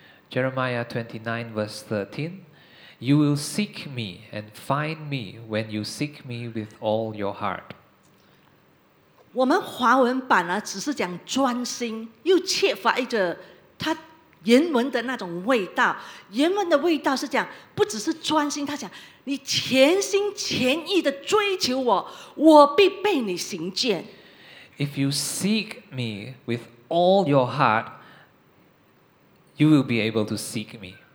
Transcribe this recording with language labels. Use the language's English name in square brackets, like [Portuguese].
[English] Jeremiah 29 verse 13, You will seek me and find me when you seek me with all your heart. [Chinese] 我们华文版只是讲专心,又缺乏一个它原文的那种味道。原文的味道是讲,不只是专心,它讲,你全心全意地追求我,我必被你行见。 [English] If you seek me with all your heart, you will be able to seek me.